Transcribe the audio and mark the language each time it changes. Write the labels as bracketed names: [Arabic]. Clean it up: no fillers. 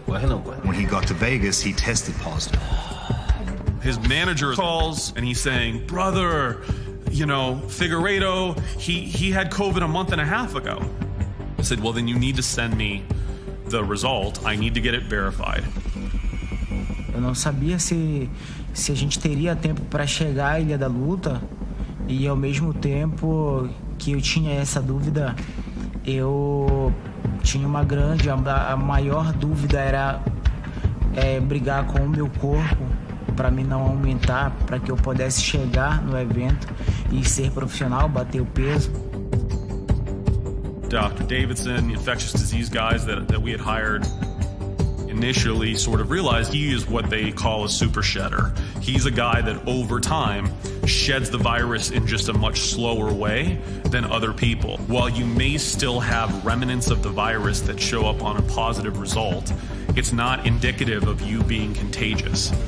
[English] When he got to Vegas, he tested positive. His manager calls and he's saying, brother, you know, Figueiredo, he had COVID a month and a half ago. I said, well, then you need to send me the result. I need to get it verified. [Portuguese] Eu não sabia se a gente teria tempo para chegar à Ilha da Luta, e ao mesmo tempo que eu tinha essa dúvida, eu tinha uma grande, a maior dúvida era brigar com o meu corpo para me não aumentar, para que eu pudesse chegar no evento e ser profissional, bater o peso. [English] Dr. Davidson, the infectious disease guys that we had hired, initially sort of realized he is what they call a super shedder. He's a guy that over time sheds the virus in just a much slower way than other people. While you may still have remnants of the virus that show up on a positive result, it's not indicative of you being contagious.